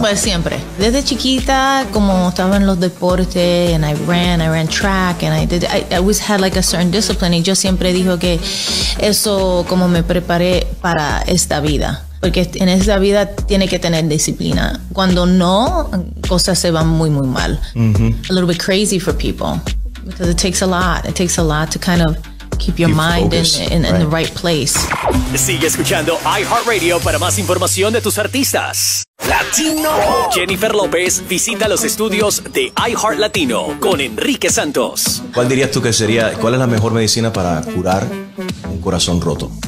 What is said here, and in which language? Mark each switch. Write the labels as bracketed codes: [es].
[es] Pues siempre. Desde chiquita, como estaba en los deportes, [en] and I ran track, and I always had like a certain discipline, [es] y yo siempre dijo que eso como me preparé para esta vida, porque en esta vida tiene que tener disciplina. Cuando no, cosas se van muy muy mal. Mm-hmm. [en] A little bit crazy for people, because it takes a lot to kind of keep your mind focused, in the right place. [es] Sigue escuchando iHeartRadio para más información de tus artistas. Latino. Jennifer López visita los estudios de iHeartLatino con Enrique Santos. ¿Cuál dirías tú que sería, cuál es la mejor medicina para curar un corazón roto?